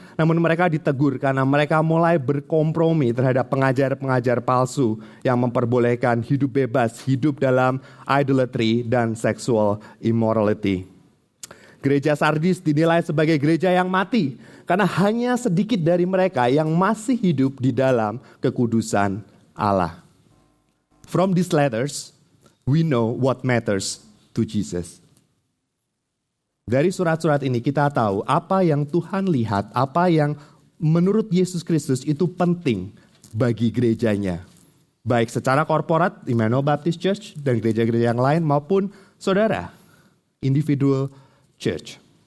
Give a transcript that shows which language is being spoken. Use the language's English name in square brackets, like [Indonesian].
[Indonesian] Namun mereka ditegur karena mereka mulai berkompromi terhadap pengajar-pengajar palsu yang memperbolehkan hidup bebas, hidup dalam [English] idolatry [Indonesian] dan [English] sexual immorality. [Indonesian] Gereja Sardis dinilai sebagai gereja yang mati karena hanya sedikit dari mereka yang masih hidup di dalam kekudusan Allah. [English] From these letters, we know what matters to Jesus. [Indonesian] Dari surat-surat ini kita tahu apa yang Tuhan lihat, apa yang menurut Yesus Kristus itu penting bagi gerejanya. Baik secara korporat, Emmanuel Baptist Church dan gereja-gereja yang lain, maupun saudara, [English] individual church.